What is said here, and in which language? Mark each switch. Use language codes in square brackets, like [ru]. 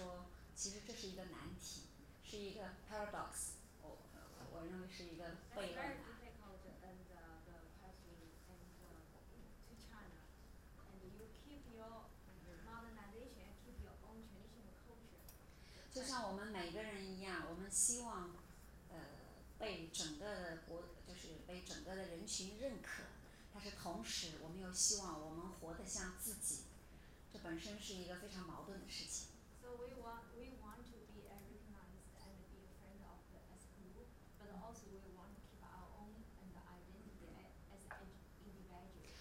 [zh] 中国在各方面也越来越接近西方社会。中国有什么办法保持自己的特色，而同时成为一个先进的国家？这个很好的问题啊，对中国来说，其实这是一个难题，是一个 paradox。 [en] To China, and you keep your modernization, keep your own traditional culture. [zh] 就像我们每个人一样，我们希望被整个的人群认可，但是同时我们又希望我们活得像自己，这本身是一个非常矛盾的事情。 [en] So we want to be recognized and be a friend of the as group, but also we want to keep our own and identity as an individual.